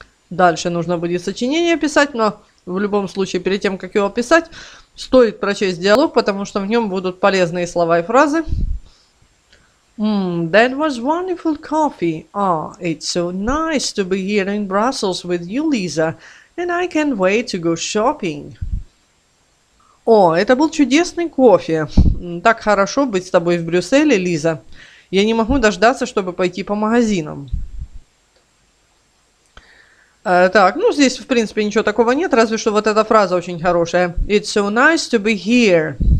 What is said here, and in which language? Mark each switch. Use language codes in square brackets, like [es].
[ru] Дальше нужно будет сочинение писать, но в любом случае, перед тем, как его писать, стоит прочесть диалог, потому что в нем будут полезные слова и фразы. [en] That was wonderful coffee. Oh, it's so nice to be here in Brussels with you, Lisa, and I can't wait to go shopping. [ru] О, это был чудесный кофе. Так хорошо быть с тобой в Брюсселе, Лиза. Я не могу дождаться, чтобы пойти по магазинам. Так, ну здесь в принципе ничего такого нет, разве что вот эта фраза очень хорошая. [en] It's so nice to be here.